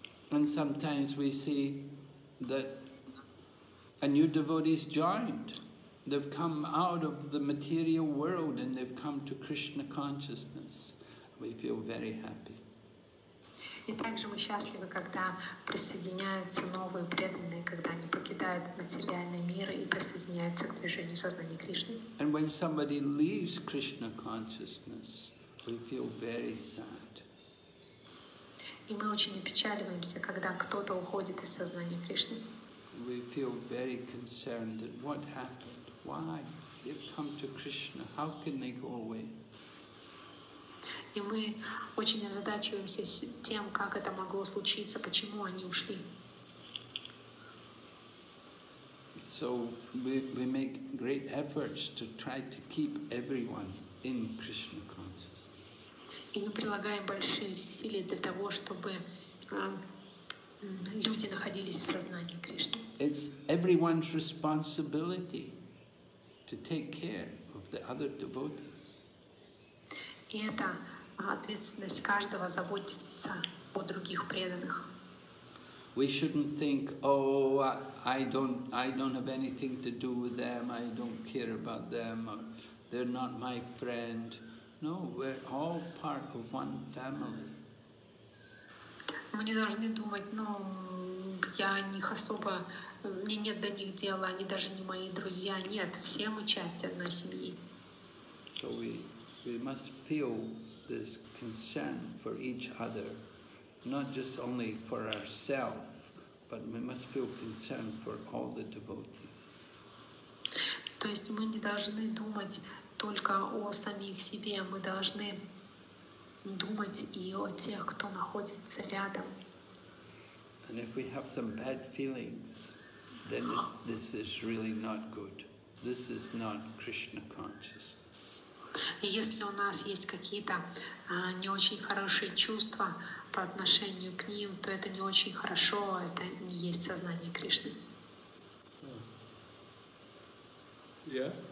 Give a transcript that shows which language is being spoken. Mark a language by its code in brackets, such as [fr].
[en] And sometimes we see that a new devotee is joined. They've come out of the material world and they've come to Krishna consciousness. We feel very happy. [ru] И также мы счастливы, когда присоединяются новые преданные, когда они покидают материальный мир и присоединяются к движению сознания Кришны. [en] And when somebody leaves Krishna consciousness, we feel very sad. [ru] И мы очень опечаливаемся, когда кто-то уходит из сознания Кришны. [en] We feel very concerned that what happened? Why? They've come to Krishna. How can they go away? [ru] И мы очень озадачиваемся тем, как это могло случиться, почему они ушли. [en] So we make great efforts to try to keep everyone in Krishna consciousness. [ru] И мы прилагаем большие усилия для того, чтобы люди находились в сознании Кришны. [en] It's everyone's responsibility to take care of the other devotees. [ru] И это ответственность каждого заботиться о других преданных. [en] We shouldn't think, oh, I don't have anything to do with them, I don't care about them, or they're not my friend. No, we're all part of one family. [ru] Мы не должны думать, ну, я не особо, мне нет до них дела, они даже не мои друзья. Нет, все мы часть одной семьи. [en] So we must feel this concern for each other, not just only for ourselves, but we must feel concern for all the devotees. [ru] То есть мы не должны думать только о самих себе, мы должны думать и о тех, кто находится рядом. [en] And if we have some bad feelings, then this is really not good. This is not Krishna consciousness. [ru] Если у нас есть какие-то не очень хорошие чувства по отношению к ним, то это не очень хорошо, это не есть сознание Кришны. [en] Yeah.